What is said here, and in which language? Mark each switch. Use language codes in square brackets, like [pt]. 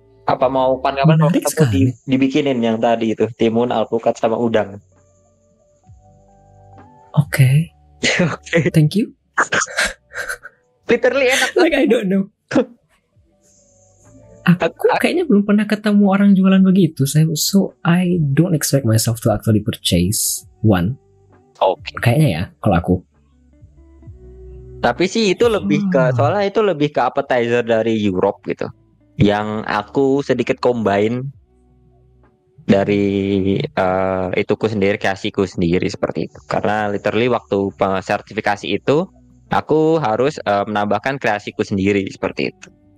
[id] Apa mau kapan-kapan aku dibikinin yang tadi itu, timun, alpukat sama udang. [en] Oke. Okay. Oke. Thank you. [id] Literally enak [en] like I don't know. [id] Aku kayaknya belum pernah ketemu orang jualan begitu. [en] So I don't expect myself to actually purchase one. Okay. [id] Kayaknya ya kalau aku. Tapi sih itu lebih ke soalnya itu lebih ke appetizer dari Europe gitu. Yang aku sedikit combine dari ituku sendiri, kasihku sendiri seperti itu. Karena literally waktu sertifikasi itu aku harus menambahkan kreasiku sendiri seperti itu.